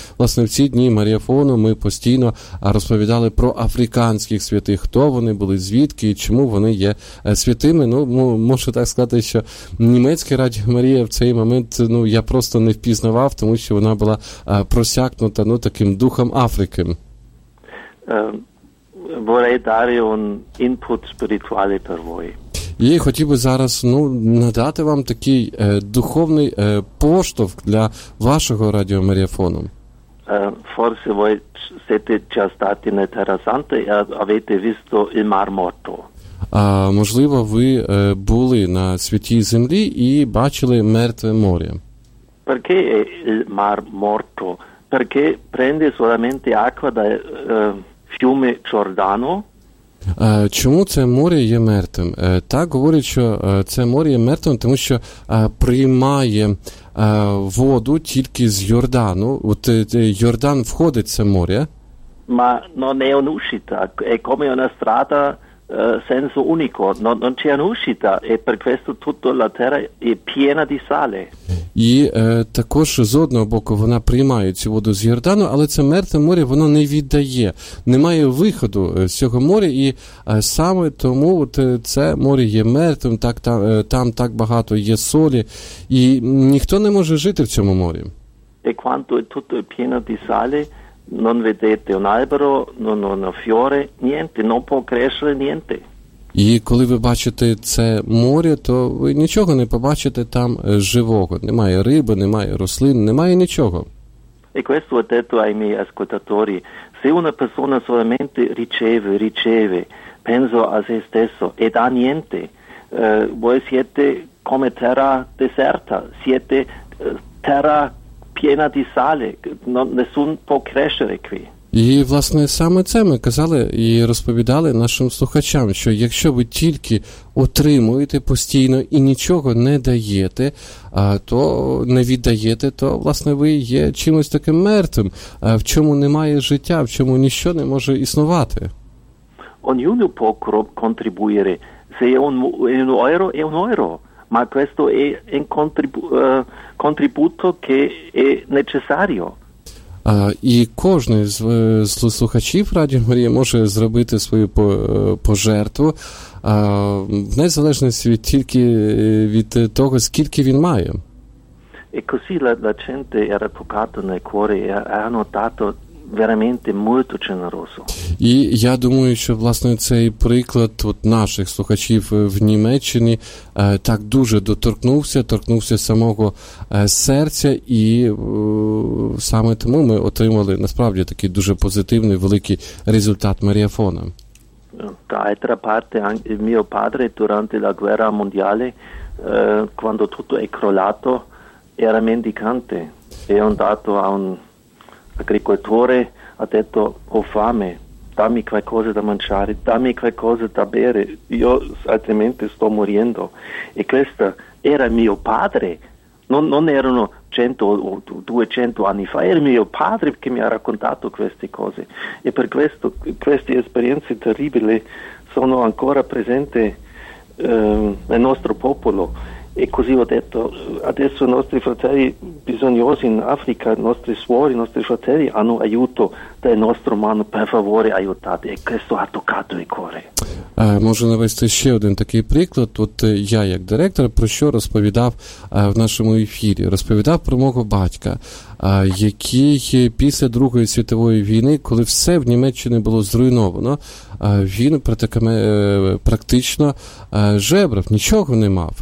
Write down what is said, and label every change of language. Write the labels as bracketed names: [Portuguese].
[Ukrainian] Власне, в ці дні Маріафону ми постійно розповідали про африканських святих, хто вони були, звідки і чому вони є святими. Ну, можу так сказати, що німецьке радіо Марія в цей момент, ну, я просто не впізнавав, тому що вона була просякнута, ну, таким духом Африки. [Italian] Vorrei dare un input spirituale per voi. [Ukrainian] І хотів би зараз, ну, надати вам такий духовний поштовх для вашого радіо Маріафону. [Italian] Forse voi siete già stati nella Terra Santa e avete visto il Mar Morto. [Ukrainian] Можливо, ви були на Святій Землі і бачили Мертве Море. [Italian] Perché è il Mar Morto? Perché prende solamente acqua dal fiume Giordano? [Ukrainian] Чому це море є мертвим? Так говорять, що це море є мертвим, тому що приймає воду тільки з Йордану. От Йордан входить в це море. [Italian] Ma non è un'uscita, è come una strada senso unico, non c'è un'uscita, e per questo tutta la terra è piena di sale. [Ukrainian] І також з одного боку вона приймає цю воду з Йордану, але це мертве море, воно не віддає, немає виходу з цього моря, і саме тому от це море є мертвим, так там так багато є солі, і ніхто не може жити в цьому морі. [Italian] E quanto è tutto pieno di sale, non vedete un albero, non un fiore, niente, non può crescere niente. [Ukrainian] І коли ви бачите це море, то ви нічого не побачите там живого. Немає риби, немає рослин, немає нічого. [Italian] E questo ho detto ai miei ascoltatori. Se una persona solamente riceve, penso a se stesso, e da niente, voi siete come terra deserta, siete terra piena di sale, nessun può crescere qui. [Ukrainian] І, власне, саме це ми казали і розповідали нашим слухачам, що якщо ви тільки отримуєте постійно і нічого не даєте, то не віддаєте, то, власне, ви є чимось таким мертвим, в чому немає життя, в чому ніщо не може існувати. [Italian] Ognuno può contribuire. Se è un euro, è un euro. ma questo è un contributo che è necessario. [Ukrainian] І кожен з слухачів Радіо Марія може зробити свою пожертву, в незалежності від тільки від того, скільки він має. [Italian] E così la gente era toccata nel cuore e hanno dato veramente molto generoso. [Ukrainian] І я думаю, що власне цей приклад от наших слухачів в Німеччині так дуже торкнувся самого серця, і саме тому ми отримали насправді такий дуже позитивний великий результат Маріафона. [Italian] D'altra parte, il mio padre durante la guerra mondiale, quando tutto è crollato, era mendicante e è andato a un agricoltore, ha detto: ho fame, dammi qualcosa da mangiare, dammi qualcosa da bere, io altrimenti sto morendo. E questo era mio padre, non erano 100 o 200 anni fa, era mio padre che mi ha raccontato queste cose, e per questo queste esperienze terribili sono ancora presenti nel nostro popolo. E così ho detto: adesso i nostri fratelli bisognosi in Africa, i nostri suori, i nostri fratelli hanno aiuto del nostro mano, per favore aiutate. E questo ha toccato il cuore. [Ukrainian] Можу навести ще один такий приклад. От я як директор про що розповідав в нашому ефірі? Розповідав про мого батька, який після Другої світової війни, коли все в Німеччині було зруйновано, він практично жебрав, нічого не мав.